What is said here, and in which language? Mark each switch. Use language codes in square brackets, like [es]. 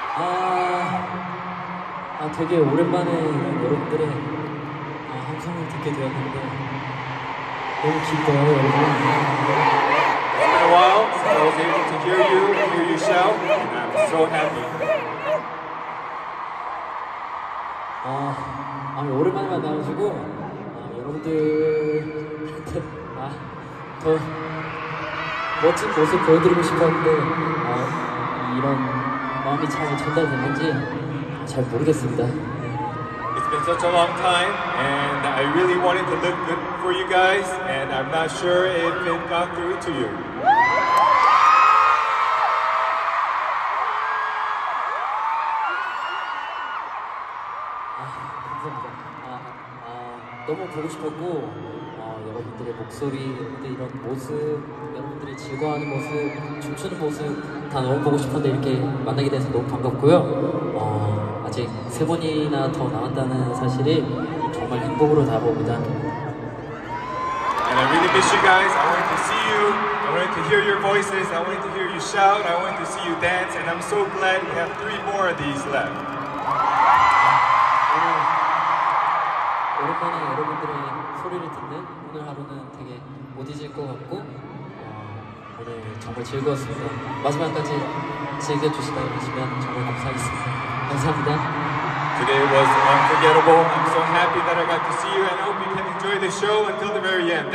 [ko] Ah, 되게 오랜만에 여러분들의 함성을 듣게 되었는데 너무 기뻐요, 여러분. [en] It's been a while since I was able to hear you shout. And I'm so happy. [ko] 아니 오랜만에 만나가지고 여러분들. 더 멋진 모습 보여드리고 싶었는데 이런 마음이 잘 전달됐는지 잘 모르겠습니다. It's been such a long time, and I really wanted to look good for you guys, and I'm not sure if it got through to you. 감사합니다. 너무 보고 싶었고. 여러분들의 목소리, 여러분들의 이런 모습, 여러분들이 즐거워하는 모습, 춤추는 모습 다 너무 보고 싶었는데 이렇게 만나게 돼서 너무 반갑고요. 아직 세 번이나 더 남았다는 사실이 정말 행복으로 다가옵니다. [en] And I really miss you guys. I wanted to see you. I wanted to hear your voices. I wanted to hear you shout. I wanted to see you dance. And I'm so glad we have three more of these left. [ko] 오랜만에 여러분들의 소리를 듣는 오늘 하루는 되게 못 잊을 것 같고 오늘 정말 즐거웠습니다. 마지막까지 즐겨주시다고 하시면 정말 감사하겠습니다. 감사합니다. [en] Today was unforgettable. I'm so happy that I got to see you and I hope you can enjoy the show until the very end.